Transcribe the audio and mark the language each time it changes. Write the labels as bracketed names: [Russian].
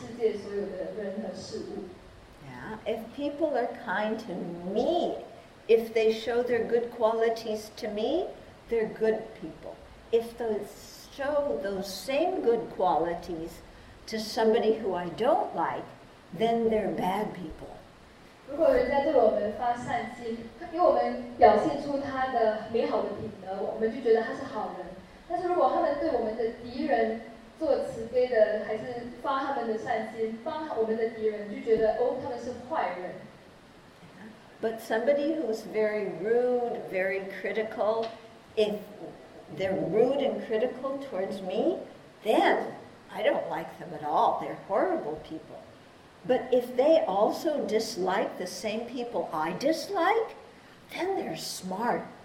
[Chinese] 但是这不是真实的想法，对吗？因为我们所对整个世界，我们怎么批评人，就是完全是由我们个人的观点这样看，就是由我们好像一个荧幕，由我们这样个人的观点这样看整个世界所有的人和事物。 [English] Yeah, if people are kind to me, if they show their good qualities to me, they're good people. If they show those same good qualities to somebody who I don't like, then they're bad people. [Chinese] 如果人家对我们发善心，给我们表现出他的美好的品德，我们就觉得他是好人。但是如果他们对我们的敌人做慈悲的，还是发他们的善心，帮我们的敌人，就觉得哦，他们是坏人。 [English] But somebody who's very rude, very critical, if they're rude and critical towards me, then I don't like them at all. They're horrible people. But if they also dislike the same people I dislike, then they're smart.